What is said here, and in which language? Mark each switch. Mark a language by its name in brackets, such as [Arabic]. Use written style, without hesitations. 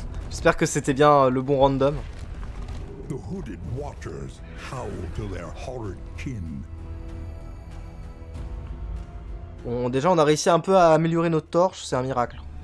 [French] J'espère que c'était bien le bon random. [English] The hooded watchers howl to their horrid kin. [French] Bon, déjà, on a réussi un peu à améliorer notre torche, c'est un miracle.